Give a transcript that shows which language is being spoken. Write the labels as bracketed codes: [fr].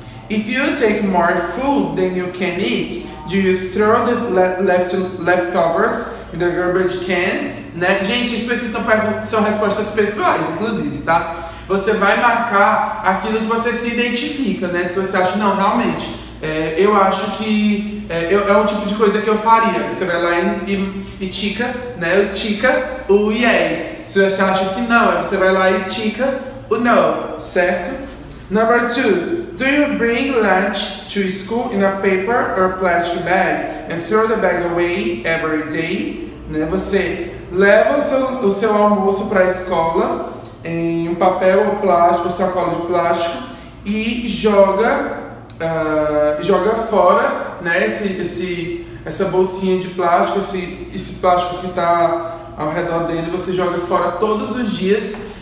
[en] If you take more food than you can eat, do you throw the leftovers in the garbage can? [pt] Né? Gente, isso aqui são, são respostas pessoais, inclusive, tá? Você vai marcar aquilo que você se identifica, né? Se você acha, não, realmente, eu acho que é um tipo de coisa que eu faria. Você vai lá e tica, né? Eu tica o yes. Se você acha que não, você vai lá e tica o no, certo? [en] Number two. Do you bring lunch to school in a paper or plastic bag and throw the bag away every day? [pt] Né? Você leva o seu almoço para a escola em um papel ou plástico, sacola de plástico, e joga fora, né, essa bolsinha de plástico, esse plástico que está ao redor dele, você joga fora todos os dias.